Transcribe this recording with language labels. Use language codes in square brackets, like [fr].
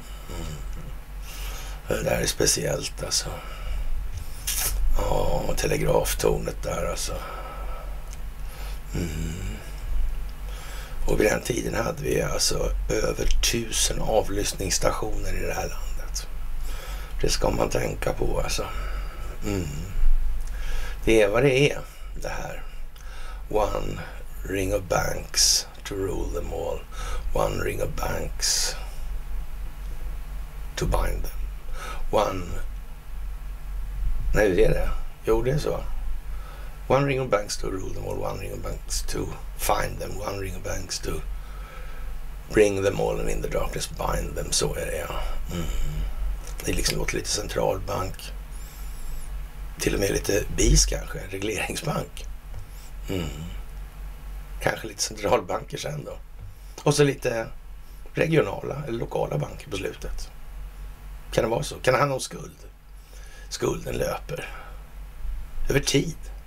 [sv] Mm. Det där är speciellt alltså. Ja, och telegraftornet där alltså. Mm. Och vid den tiden hade vi alltså över 1000 avlyssningsstationer i det här landet. Det ska man tänka på alltså. Mm. Det är vad det är, det här. [en] One ring of banks to rule them all. One ring of banks to bind them. One... [sv] Nej, det är det. Jo, det är så. [en] One ring of banks to rule them all. One ring of banks to find them. One ring of banks to bring them all and in the darkness bind them. [sv] Så är det, ja. Mm. Det är liksom lite centralbank. Till och med lite BIS kanske. Regleringsbank. Mm. Kanske lite centralbanker sen då. Och så lite regionala eller lokala banker på slutet. Kan det vara så? Kan han ha någon skuld? Skulden löper. över tid.